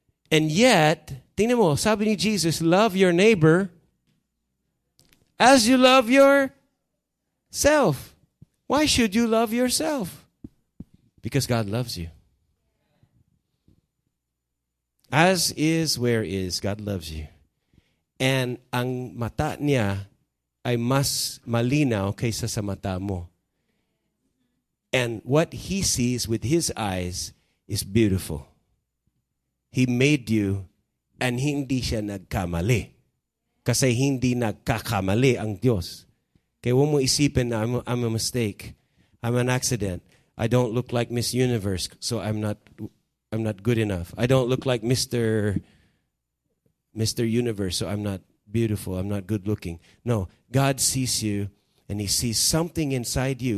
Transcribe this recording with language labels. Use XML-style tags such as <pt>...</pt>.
<en>And yet,</en> <tl>tingnan mo, sabi ni Jesus,</tl> <en>love your neighbor as you love yourself. Why should you love yourself? Because God loves you. As is where is, God loves you.</en> <tl>And ang mata niya ay mas malinaw kaysa sa mata mo.</tl> <en>And what He sees with His eyes is beautiful. He made you and</en> <tl>hindi siya nagkamali. Kasi hindi nagkakamali ang Diyos. Kaya huwag mo isipin na</tl> <en>I'm a mistake. I'm an accident. I don't look like Miss Universe, so I'm not I'm not good enough. I don't look like Mr. Universe, so I'm not beautiful. I'm not good looking. No, God sees you, and He sees something inside you.</en>